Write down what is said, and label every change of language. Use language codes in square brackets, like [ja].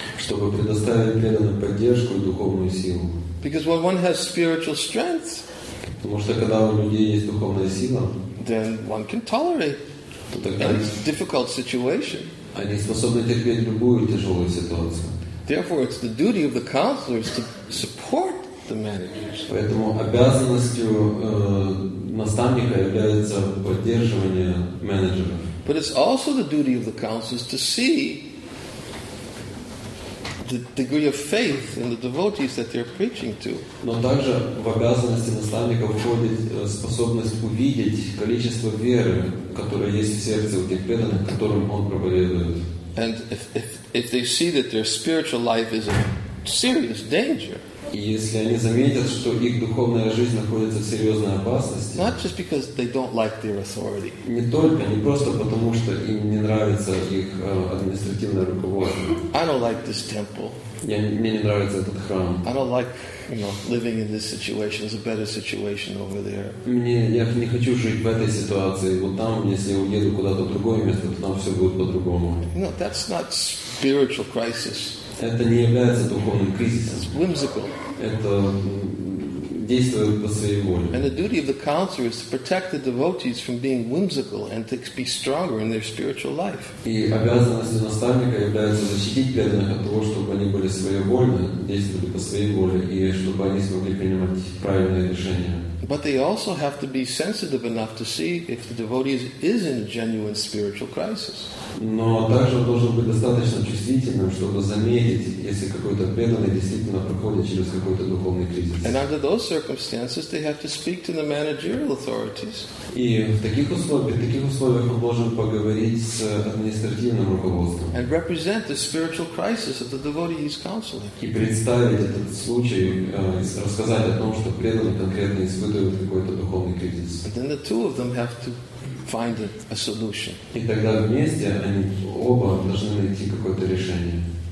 [ru] Чтобы предоставить преданным поддержку и духовную силу. [en] Because when one has spiritual strength, [ru] потому что когда у людей есть духовная сила, [en] then one can tolerate. [ru] Тогда [en] any difficult situation. [ru] Они способны терпеть любую тяжелую ситуацию. [en] Therefore, it's the duty of the counselors to support the managers. [ru] Поэтому обязанностью наставника является поддерживание менеджеров. [en] But it's also the duty of the counselors to see the degree of faith in the devotees that they're preaching to. [ru] Но также в обязанности наставника входит способность увидеть количество веры, которое есть в сердце у тех преданных, которым он проповедует. [en] And if they see that their spiritual life is in serious danger. [ru] Если они заметят, что их духовная жизнь находится в серьезной опасности, [en] not just because they don't like their authority, [ru] не только, не просто потому, что им не нравится их административное руководство. [en] I don't like this temple. [ru] Мне не нравится этот храм. [en] I don't like, you know, living in this situation. There's a better situation over there. [ru] Мне, я не хочу жить в этой ситуации. Вот там, если я уеду куда-то в другое место, то там все будет по-другому. [en] No, that's not spiritual crisis. [ru] Это не является духовным кризисом. [en] It's whimsical. [ru] Это действует по своей воле. [en] And the duty of the counselor is to protect the devotees from being whimsical and to be stronger in their spiritual life. [ru] И обязанность наставника является защитить преданных от того, чтобы они были своевольны, действовали по своей воле, и чтобы они смогли принимать правильные решения. [en] But they also have to be sensitive enough to see if the devotee is in a genuine spiritual crisis. [ru] Но также должен быть достаточно чувствительным, чтобы заметить, если какой-то преданный действительно проходит через какой-то духовный кризис. [en] And under those circumstances, they have to speak to the managerial authorities. [ru] И в таких условиях он должен поговорить с административным руководством. [en] And represent the spiritual crisis of the devotee he's counseling. [ru] И представить этот случай, рассказать о том, что преданный конкретно испытывает какой-то духовный кризис. [en] And then the two of them have to find a solution. [ru] И тогда вместе они оба должны найти какое-то решение.